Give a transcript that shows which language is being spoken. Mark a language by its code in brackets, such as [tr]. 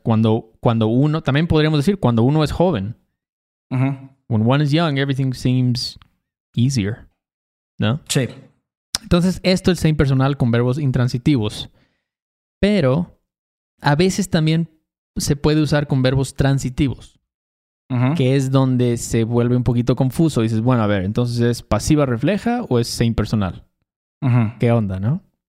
[es] Cuando uno, también podríamos decir, cuando uno es joven. [en] When one is young, everything seems easier, ¿no? [es] Sí. Entonces, esto es impersonal con verbos intransitivos. Pero a veces también se puede usar con verbos transitivos. Que es donde se vuelve un poquito confuso. Dices, bueno, a ver, entonces, ¿es pasiva refleja o es se impersonal? ¿Qué onda, no?